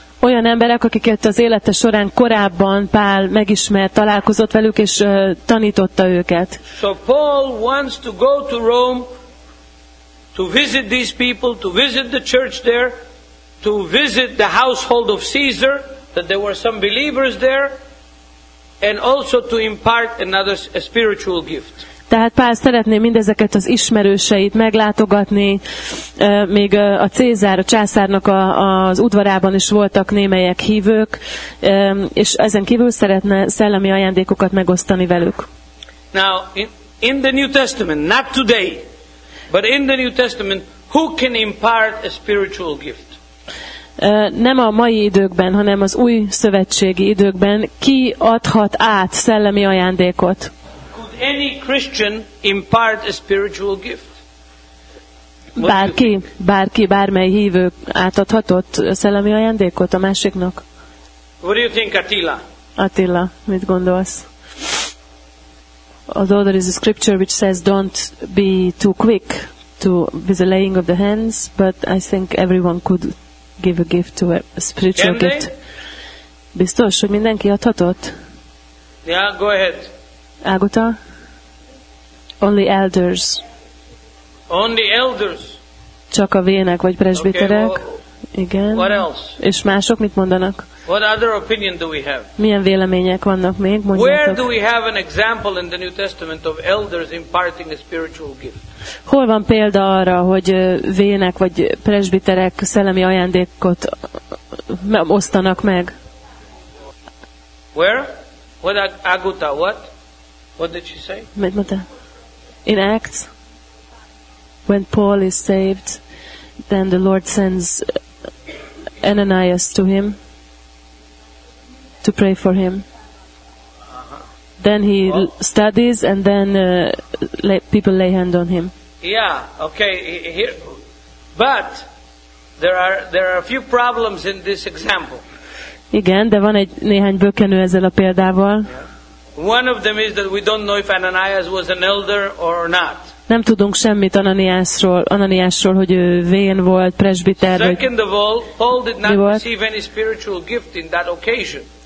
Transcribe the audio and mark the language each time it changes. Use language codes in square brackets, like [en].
[hu] Olyan emberek, akiket az élete során korábban Pál megismert, találkozott velük és tanította őket. [en] So Paul wants to go to Rome to visit these people, to visit the church there, to visit the household of Caesar, that there were some believers there. And also to impart another spiritual gift. [hu] Tehát Pál szeretné mindezeket az ismerőseit meglátogatni, még a Cézár, a császárnak az udvarában is voltak némelyek hívők, és ezen kívül szeretne szellemi ajándékokat megosztani velük. [en] Now, in the New Testament, not today, but in the New Testament, who can impart a spiritual gift? [hu] Nem a mai időkben, hanem az új szövetségi időkben ki adhat át szellemi ajándékot? [en] Could any Christian impart a spiritual gift? [hu] Bárki, bármely hívő átadhatott szellemi ajándékot a másiknak? [en] What do you think, Attila? [hu] Attila, mit gondolsz? [en] Although there is a scripture which says don't be too quick to with the laying of the hands, but I think everyone could give a gift to a spiritual can gift. They? [hu] Biztos, hogy mindenki adhatott? [en] Yeah, go ahead. Ágota? Only elders. Only elders. [hu] Csak a vének vagy presbiterek. [en] Okay, well, [hu] igen. [en] What else? [hu] És mások mit mondanak? [en] What other opinion do we have? [hu] Milyen vélemények vannak még? Mondjátok. [en] Where do we have an example in the New Testament of elders imparting a spiritual gift? [hu] Hol van példa arra, hogy vének vagy presbiterek szellemi ajándékot osztanak meg? [en] Where? What Aguta? What? What did she say? [hu] Mit mondta? [en] In Acts, when Paul is saved, then the Lord sends Ananias to him to pray for him. Then he studies and then people lay hand on him. Yeah, okay. Here, but there are a few problems in this example. [hu] Igen, de van egy néhány bökkenő ezzel a példával. [en] One of them is that we don't know if Ananias was an elder or not. [hu] Nem tudunk semmit Ananiásról, hogy ő vén volt, presbiter. [en] Second of all, Paul did not receive any spiritual gift in that occasion.